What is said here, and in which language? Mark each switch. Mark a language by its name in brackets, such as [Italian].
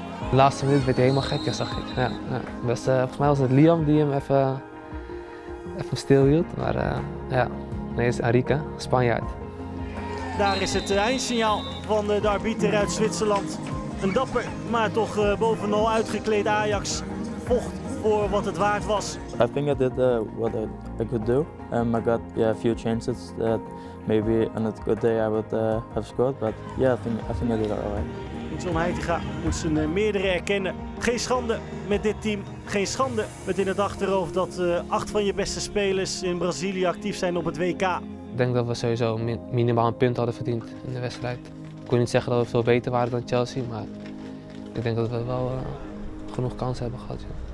[Dutch] De laatste minuut werd hij helemaal gek, zag ik. Ja, ja. Dus, volgens mij was het Liam die hem even stilhield. Maar ja, nee, het is Arica, Spanjaard. Daar is het eindsignaal van de arbiter uit Zwitserland. Een dapper, maar toch bovenal uitgekleed Ajax. Vocht voor wat het waard was. [English] I think I did what I could do. I got a few chances that maybe on a good day I would have scored. But yeah, I think I did all right. [Dutch] John Heitinga moet zijn meerdere erkennen. Geen schande met dit team. Geen schande met in het achterhoofd dat 8 van je beste spelers in Brazilië actief zijn op het WK. Ik denk dat we sowieso minimaal een punt hadden verdiend in de wedstrijd. Ik kon niet zeggen dat we veel beter waren dan Chelsea, maar ik denk dat we wel genoeg kansen hebben gehad. Ja.